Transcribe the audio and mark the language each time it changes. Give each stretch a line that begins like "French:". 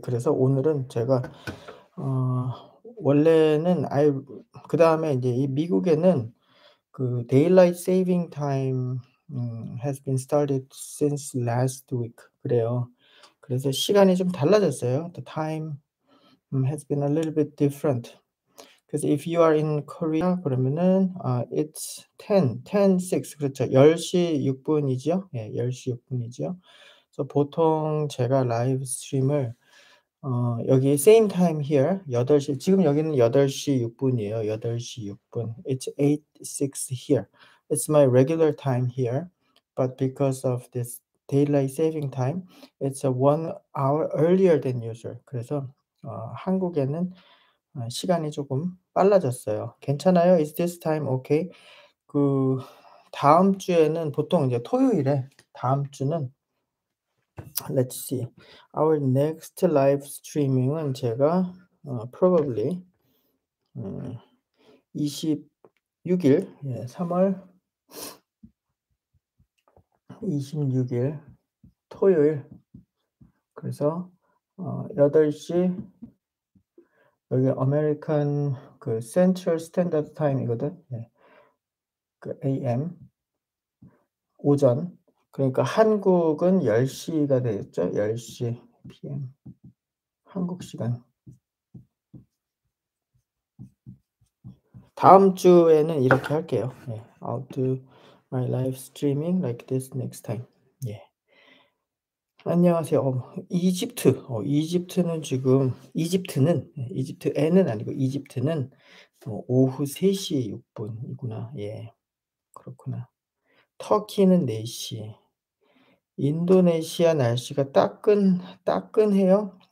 Korean: 그래서 오늘은 제가 원래는 그다음에 이제 이 미국에는 그 데일라이트 세이빙 타임
English: has been started since last week.
Korean: 그래요. 그래서 시간이 좀 달라졌어요.
English: The time has been a little bit different. 그래서 if you are in Korea, 그러면은 it's 10, 10:06. 그렇죠.
Korean: 10시 6분이죠. 예, 10시 6분이죠. 그래서 보통 제가 라이브 스트림을 여기
English: same time here
Korean: 8시. 지금 여기는 8시 6분이에요. 8시 6분.
English: It's 8:06 here. It's my regular time here, but because of this daylight saving time, it's a 1 hour earlier than usual.
Korean: 그래서 한국에는 시간이 조금 빨라졌어요. 괜찮아요?
English: Is this time okay?
Korean: 그 다음 주에는 보통 이제 토요일에 다음 주는
English: Let's see. Our next live streaming
Korean: 은 제가 probably 26일, 예, 3월 26일 토요일. 그래서 8시 여기 아메리칸 그 센트럴 스탠다드 타임이거든. 네. 그 AM 오전. 그러니까 한국은 10시가 되겠죠? 10시 PM 한국 시간. 다음 주에는 이렇게 할게요. 네.
English: I'll do my live streaming like this next time. 예.
Korean: 안녕하세요. 이집트. 이집트는 아니고 이집트는 오후 3시 6분이구나. 예. 그렇구나. 터키는 4시. 인도네시아 날씨가 따끈해요.